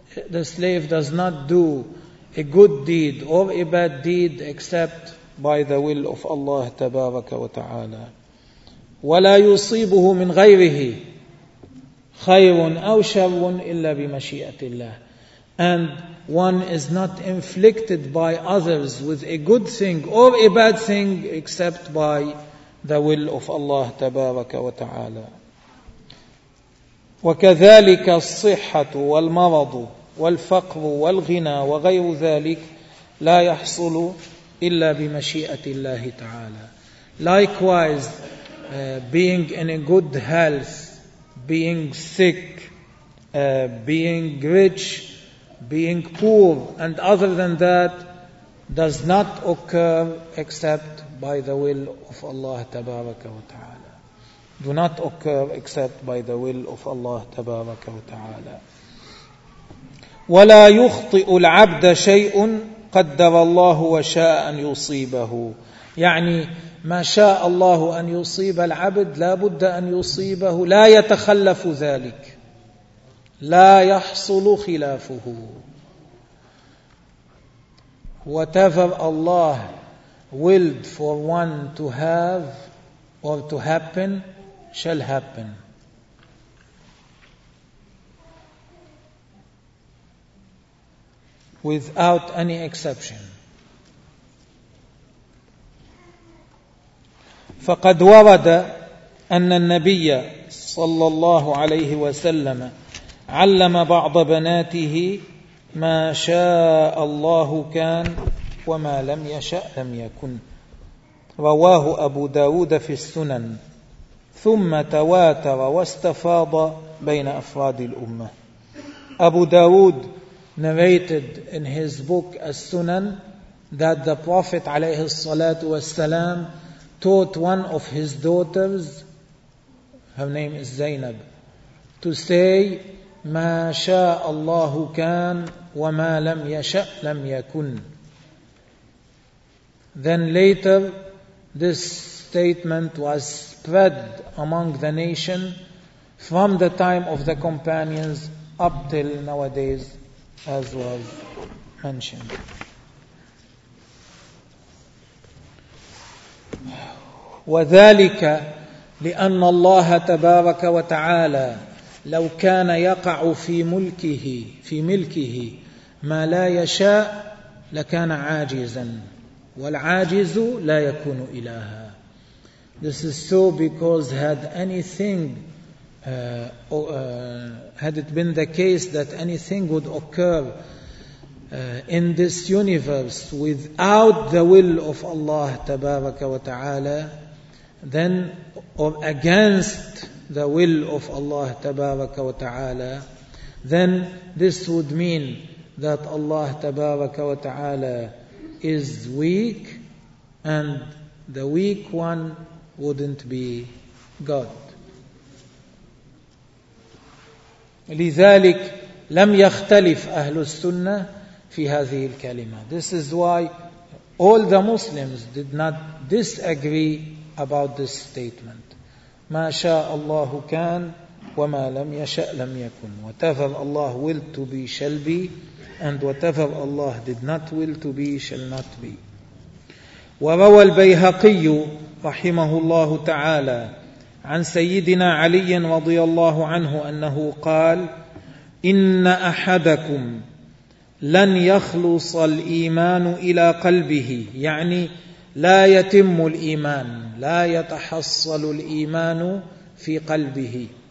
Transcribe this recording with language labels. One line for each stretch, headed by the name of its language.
English: The slave does not do a good deed or a bad deed except by the will of Allah
Arabic: تبارك وتعالى. ولا يصيبه من غيره خير أو شر إلا بمشيئة الله.
English: And one is not inflicted by others with a good thing or a bad thing except by the will of Allah
Arabic: تبارك وتعالى. وكذلك الصحة والمرض والفقر والغنى وغير ذلك لا يحصل إلا بمشيئة الله تعالى.
English: Likewise, being in a good health, being sick, being rich, being poor, and other than that, does not occur except by the will of Allah
Arabic: تبارك وتعالى.
English: Do not occur except by the will of Allah
Arabic: تبارك وتعالى. ولا يخطئ العبد شيء قدر الله وشاء أن يصيبه. يعني ما شاء الله أن يصيب العبد لا بد أن يصيبه، لا يتخلف ذلك، لا يحصل خلافه.
English: Whatever Allah willed for one to have or to happen shall happen. Without any exception.
Arabic: فقد ورد أن النبي صلى الله عليه وسلم علم بعض بناته ما شاء الله كان وما لم يشأ لم يكن، رواه أبو داود في السنن، ثم تواتر واستفاض بين أفراد الأمة.
English: أبو داود narrated in his book As-Sunan that the Prophet
Arabic: عليه الصلاة والسلام
English: taught one of his daughters, her name is Zainab, to say
Arabic: ما شاء الله كان وما لم يشأ لم يكن.
English: Then later this statement was spread among the nation from the time of the companions up till nowadays, as was mentioned.
Arabic: وذلك لأن الله تبارك وتعالى لو كان يقع في ملكه ما لا يشاء لكان عاجزا والعاجز لا يكون إلها.
English: This is so because had anything had it been the case that anything would occur in this universe without the will of Allah tabaraka wa ta'ala, then or against the will of Allah tabaraka wa ta'ala, then this would mean that Allah tabaraka wa ta'ala is weak, and the weak one wouldn't be God.
Arabic: لذلك لم يختلف أهل السنة في هذه الكلمة.
English: This is why all the Muslims did not disagree about this statement.
Arabic: ما شاء الله كان وما لم يشأ لم يكن.
English: Whatever Allah willed to be shall be, and whatever Allah did not will to be shall not be.
Arabic: وروى البيهقي رحمه الله تعالى عن سيدنا علي رضي الله عنه أنه قال إن أحدكم لن يخلص الإيمان إلى قلبه، يعني لا يتم الإيمان، لا يتحصل الإيمان في قلبه،